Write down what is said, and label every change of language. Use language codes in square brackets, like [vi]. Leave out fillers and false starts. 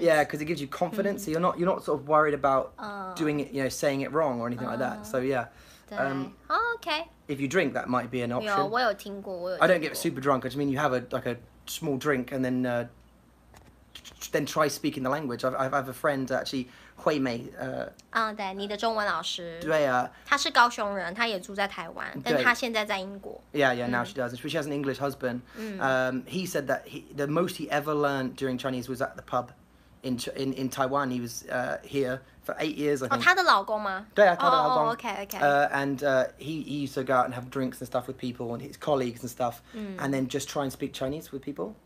[en] Yeah, because it gives you confidence, so you're not sort of worried about doing it, you know, saying it wrong or anything like that. So yeah. Okay. If you drink, that might be an option. [zh] 有，我有听过，我有听过。 [en] I don't get super drunk. I just mean you have a small drink and then try speaking the language. I have a friend actually, Hui Mei. [zh] 对，你的中文老师。对啊。他是高雄人，他也住在台湾，但他现在在英国。 [en] Yeah, now she does. She has an English husband. He said that the most he ever learned during Chinese was at the pub in Taiwan. He was here for 8 years, I think. [zh] 哦，他的老公吗？对啊，他的老公。 [en] Okay. He used to go out and have drinks and stuff with people and his colleagues and stuff, and then just try and speak Chinese with people.